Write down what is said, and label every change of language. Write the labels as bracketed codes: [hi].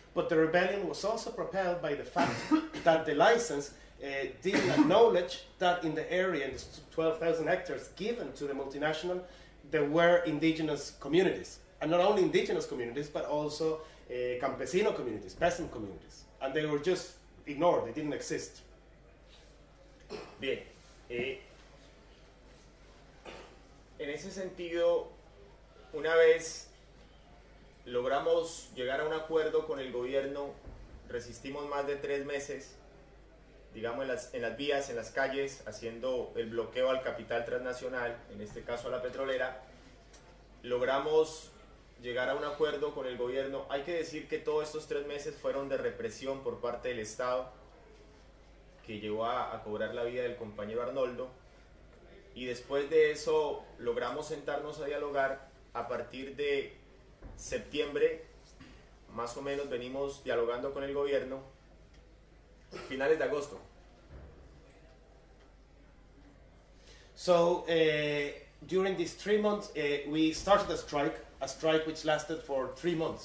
[en] But the rebellion was also propelled by the fact that the license didn't acknowledge that in the area, in the 12,000 hectares given to the multinational, there were indigenous communities. And not only indigenous communities, but also campesino communities, peasant communities. And they were just ignored, they didn't exist. [es] Bien. En ese sentido, una vez logramos llegar a un acuerdo con el gobierno, resistimos más de 3 meses, digamos, en las vías, en las calles, haciendo el bloqueo al capital transnacional, en este caso a la petrolera, logramos llegar a un acuerdo con el gobierno. Hay que decir que todos estos 3 meses fueron de represión por parte del Estado, que llevó a cobrar la vida del compañero Arnoldo, y después de eso logramos sentarnos a dialogar a partir de septiembre, más o menos, venimos dialogando con el gobierno, finales de agosto. [en] So, during these 3 months, we started a strike which lasted for 3 months.